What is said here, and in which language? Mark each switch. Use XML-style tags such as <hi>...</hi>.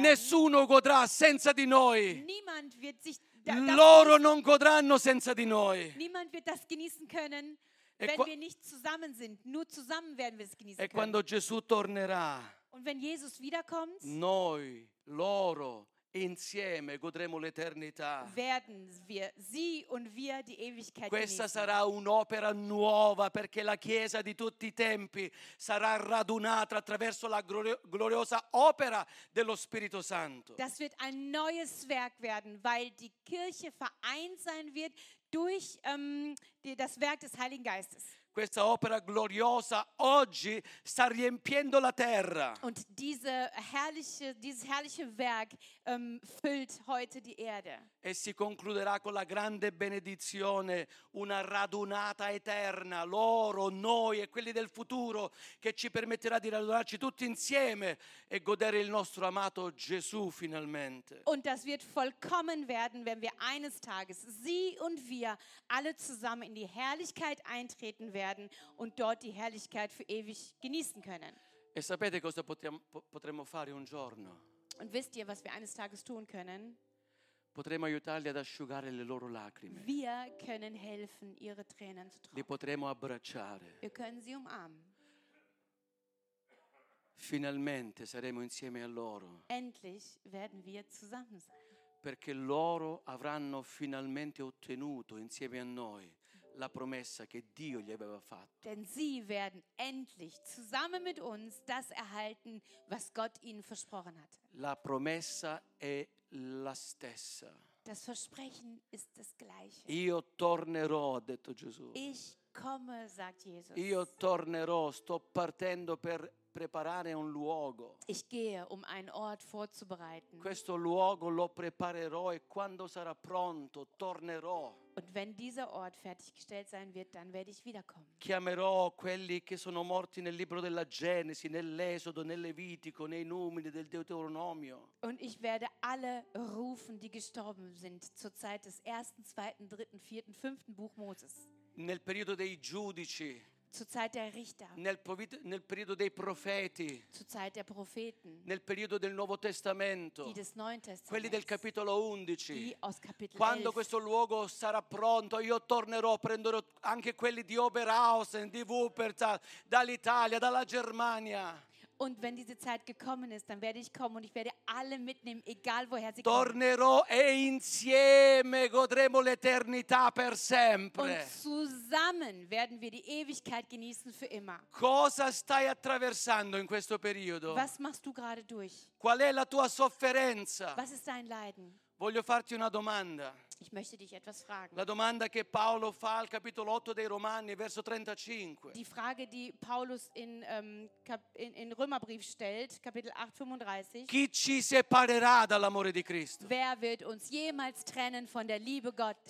<it>Nessuno godrà senza di noi.</it> <de>Niemand wird sich</de> <it>loro non godranno senza di noi.</it> <de>Niemand wird das genießen können. Wenn wir nicht zusammen sind, nur zusammen werden wir es genießen können.</de> <it>E quando Gesù tornerà.</it> <de>Und wenn Jesus wiederkommt,</de> <it>noi, loro, insieme godremo l'eternità.</it> <de>Werden wir, sie und wir, die Ewigkeit.</de> <it>Questa</it> <de>genießen.</de> <it>Sarà un'opera nuova perché la Chiesa di tutti i tempi sarà radunata attraverso la gloriosa opera dello Spirito Santo.</it> <de>Das wird ein neues Werk werden, weil die Kirche vereint sein wird durch das Werk des Heiligen Geistes.</de> <it>Questa opera gloriosa oggi sta riempiendo la terra.</it> <de>Und dieses herrliche Werk füllt heute die Erde.</de> <it>E si concluderà con la grande benedizione, una radunata eterna, loro, noi e quelli del futuro, che ci permetterà di radunarci tutti insieme e godere il nostro amato Gesù finalmente.</it> <de>Und das wird vollkommen werden, wenn wir eines Tages, sie und wir, alle zusammen in die Herrlichkeit eintreten werden. Und dort die Herrlichkeit für ewig genießen können.</de> <it>E sapete cosa potremmo fare un giorno?</it> <de>Und wisst ihr, was wir eines Tages tun können?</de> <it>Potremmo aiutarli ad asciugare le loro lacrime.</it> <de>Wir können helfen, ihre Tränen zu trocknen.</de> <it>Li potremmo abbracciare.</it> <de>Wir können sie umarmen.</de> <it>Finalmente saremo insieme a loro.</it> <de>Endlich werden wir zusammen sein.</de> <it>Perché loro avranno finalmente ottenuto insieme a noi la promessa che Dio gli aveva fatto.</it> <de>Denn sie werden endlich zusammen mit uns das erhalten, was Gott ihnen versprochen hat.</de> <it>La promessa è la stessa.</it> <de>Das Versprechen ist das gleiche.</de> <it>Io tornerò, ha detto Gesù.</it> <de>Ich komme, sagt Jesus.</de> <it>Io tornerò, sto partendo per preparare un luogo.</it> <de>Ich gehe, um einen Ort vorzubereiten.</de> <it>Questo luogo lo preparerò e quando sarà pronto tornerò.</it> <de>Und wenn dieser Ort fertiggestellt sein wird, dann werde ich wiederkommen.</de> <it>Chiamerò quelli che sono morti nel libro della Genesi, nell'Esodo, nel Levitico, nei Numeri, del Deuteronomio.</it> <de>Und ich werde alle rufen, die gestorben sind zur Zeit des ersten, zweiten, dritten, vierten, fünften Buch Moses.</de> <it>Nel periodo dei giudici.</it> <de>Zur Zeit der Richter.</de> <it>Nel periodo dei profeti.</it> <de>Zur Zeit der Propheten.</de> <it>Nel periodo del Nuovo Testamento.</it> <de>Die des Neuen Testaments.</de> <it>Quelli del capitolo 11.</it> <de>Die aus Kapitel 11.</de> <it>Quando questo luogo sarà pronto, io tornerò, prenderò anche quelli di Oberhausen, di Wuppertal, dall'Italia, dalla Germania.</it> <de>Und wenn diese Zeit gekommen ist, dann werde ich kommen und ich werde alle mitnehmen, egal woher sie</de> <it>tornerò Tornerò e insieme godremo l'eternità per sempre.</it> <de>Und zusammen werden wir die Ewigkeit genießen für immer.</de> <it>Cosa stai attraversando in questo periodo?</it> <de>Was machst du gerade durch?</de> <it>Qual è la tua sofferenza?</it> <de>Was ist dein Leiden?</de> <it>Voglio farti una domanda.</it> <de>Ich möchte dich etwas fragen.</de> <it>La domanda che Paolo fa al capitolo 8 dei Romani, verso 35.</it> <de>Die Frage, die Paulus in Römerbrief stellt, Kapitel 8, 35.</de> <it>Chi ci separerà dall'amore di Cristo?</it> <de>Wer wird uns jemals trennen von der Liebe Gottes?</de>